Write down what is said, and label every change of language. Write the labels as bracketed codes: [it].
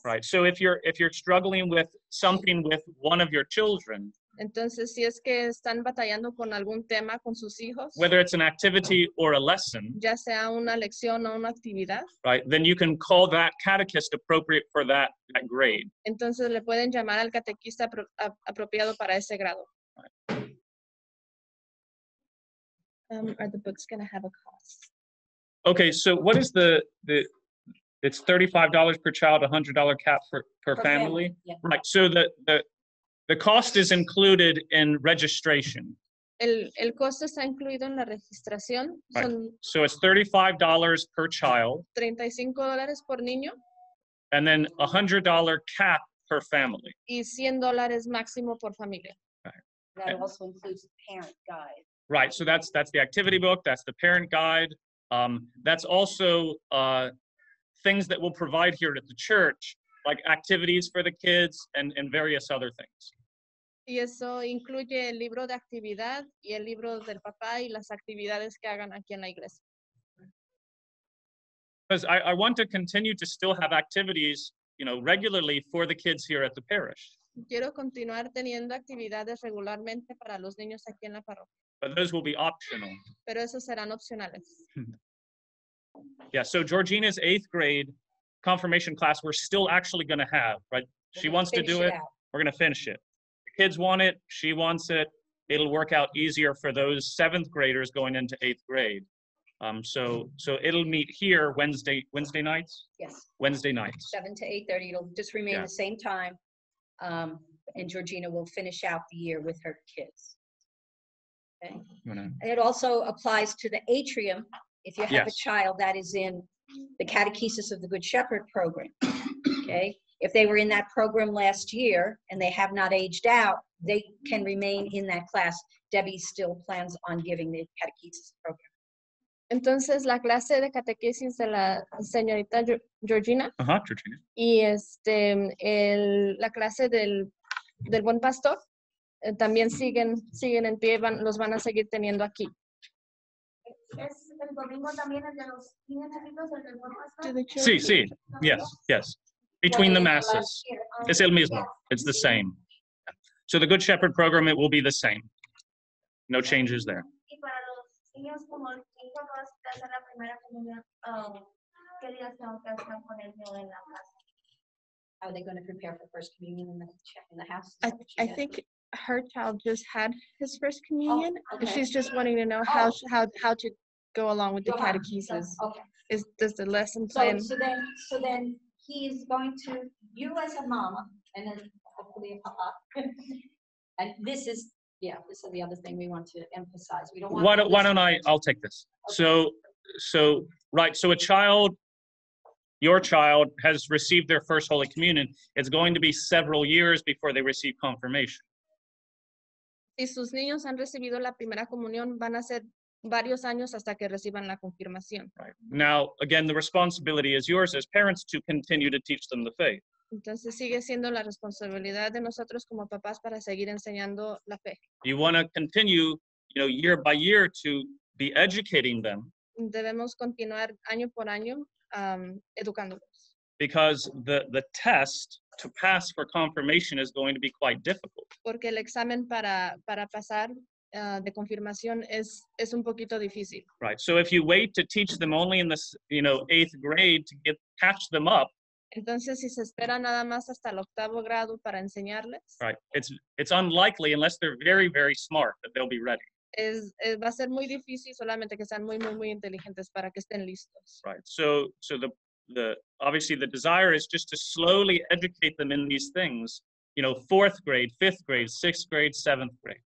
[en] Right, so if you're struggling with something with one of your children. [es] Entonces, si es que están batallando con algún tema con sus hijos, [en] whether it's an activity or a lesson, [es] ya sea una lección o una actividad, [en] right, then you can call that catechist appropriate for that grade. [es] Entonces, le pueden llamar al catequista apropiado para ese grado. [en] Are the books going to have a cost? Okay, so what is the it's $35 per child, $100 cap per family? Yeah. Right, so the cost is included in registration. [es] El costo está incluido en la registración. [en] Right. So it's $35 per child. [es] $35 por niño. [en] And then $100 cap per family. [es] Y $100 máximo por familia. [en] Right. That also includes the parent guide. Right, so that's the activity book, that's the parent guide. That's also things that we'll provide here at the church, like activities for the kids and various other things. [es] Y eso incluye el libro de actividad y el libro del papá y las actividades que hagan aquí en la iglesia. [en] Because I want to continue to still have activities, you know, regularly for the kids here at the parish. [es] Quiero continuar teniendo actividades regularmente para los niños aquí en la parroquia. [en] But those will be optional. [es] Pero esos serán opcionales. [en] Yeah, so Georgina's eighth grade confirmation class, we're still actually going to have, right? She wants to do it. We're going to finish it. The kids want it. She wants it. It'll work out easier for those seventh graders going into eighth grade. So it'll meet here Wednesday nights? Yes. Wednesday nights. 7 to 8:30. It'll just remain the same time. And Georgina will finish out the year with her kids. Okay. It also applies to the atrium if you have a child that is in the Catechesis of the Good Shepherd program. Okay, if they were in that program last year and they have not aged out, they can remain in that class. Debbie still plans on giving the Catechesis program. [es] Entonces, la clase de catequesis de la señorita Georgina. Uh-huh, Georgina. Y la clase del buen pastor. También siguen en pie, los van a seguir teniendo aquí. ¿Es el domingo también el de los niños el del buen pastor? Sí, sí. [en] Yes, yes. Between the masses. [es] Es el mismo. [en] It's the same. So the Good Shepherd program, it will be the same. No changes there. [es] ¿Y para los niños como el hijo va a estar la primera comunión? ¿Qué días están con el niño en la casa? [en] Are they going to prepare for first communion in the house? I think her child just had his first communion. Oh, okay. She's just wanting to know how to go along with the catechesis. So, okay. Does the lesson plan? So then he's going to, you as a mama, and then hopefully a papa. And this is, this is the other thing we want to emphasize. I'll take this. Okay. So a child, your child, has received their first Holy Communion. It's going to be several years before they receive confirmation. [es] Si sus niños han recibido la primera comunión, van a ser varios años hasta que reciban la confirmación. [en] Right. Now, again, the responsibility is yours as parents to continue to teach them the faith. [es] Entonces sigue siendo la responsabilidad de nosotros como papás para seguir enseñando la fe. [en] You want to continue, you know, year by year to be educating them. [es] Debemos continuar año por año educándolos. [en] Because the test to pass for confirmation is going to be quite difficult. [es] Porque el examen para pasar de confirmación es un poquito difícil. [en] Right. So if you wait to teach them only in this, you know, eighth grade to catch them up. [es] Entonces si se espera nada más hasta el octavo grado para enseñarles. [en] Right. It's unlikely unless they're very very smart that they'll be ready. [es] Es va a ser muy difícil solamente que sean muy muy muy inteligentes para que estén listos. [en] Right. So the desire is just to slowly educate them in these things, you know, fourth grade, fifth grade, sixth grade, seventh grade.